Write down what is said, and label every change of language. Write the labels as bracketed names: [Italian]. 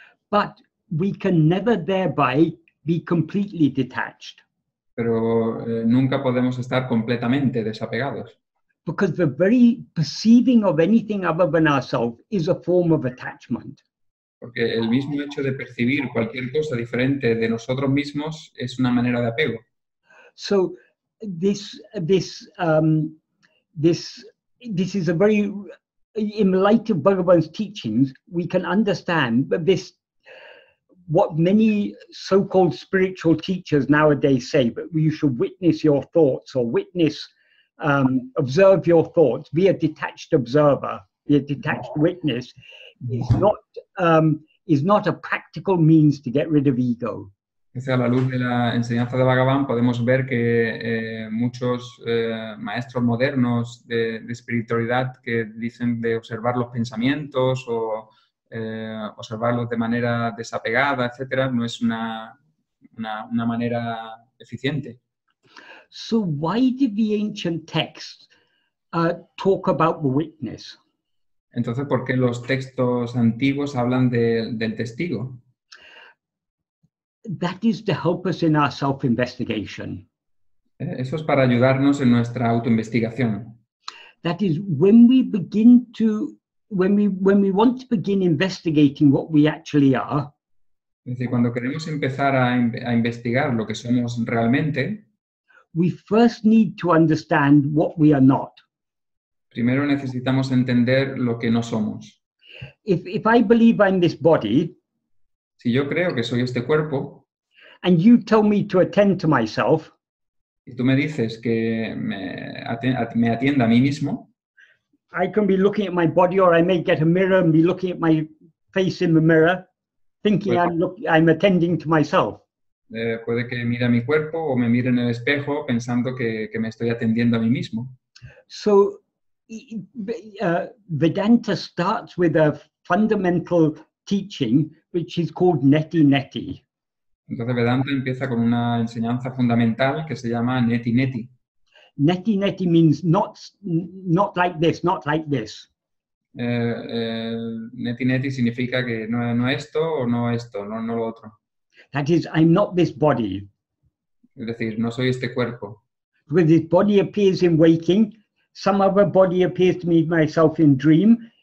[English] But we can never thereby be completely detached. [Spanish] Pero nunca podemos estar completamente desapegados. [English] Because the very perceiving of anything other than ourselves is a form of attachment. [Spanish] Porque el mismo hecho de percibir cualquier cosa diferente de nosotros mismos es una manera de apego. [English] So this is a very, in light of Bhagavan's teachings, we can understand that this, what many so-called spiritual teachers nowadays say, that you should witness your thoughts or witness, observe your thoughts, be a detached observer, be a detached witness, is not a practical means to get rid of ego. [Spanish] A la luz de la enseñanza de Bhagavan, podemos ver que muchos maestros modernos de espiritualidad que dicen de observar los pensamientos o observarlos de manera desapegada, etcétera, no es una manera eficiente. [English] So why did the ancient texts talk about the witness? [Spanish] Entonces, ¿por qué los textos antiguos hablan del testigo? [English] That is to help us in our self-investigation. [Spanish] Eso es para ayudarnos en nuestra autoinvestigación. [English] That is when we begin to, when we want to begin investigating what we actually are. [Spanish] Es decir, cuando queremos empezar a investigar lo que somos realmente. [English] We first need to understand what we are not. [Spanish] Primero necesitamos entender lo que no somos. [English] If I believe I'm this body. [Spanish] Si yo creo que soy este cuerpo, [English] and you tell me to attend to myself, [Spanish] y tú me dices que me atienda a mí mismo, [English] I can be looking at my body, or I may get a mirror and be looking at my face in the mirror, thinking I'm attending to myself. [Spanish] Puede que mire a mi cuerpo o me mire en el espejo pensando que me estoy atendiendo a mí mismo. [English] So Vedanta starts with a fundamental teaching, which is called neti neti. [Spanish] Entonces Vedanta empieza con una enseñanza fundamental que se llama neti neti. [English] Neti neti means not like this, not like this. [Spanish] Neti neti significa que no esto o no esto, no lo otro. [English] That is, I'm not this body. [Spanish] Es decir, no soy este cuerpo. [English] When this body appears in waking, some other body appears to me myself in dream.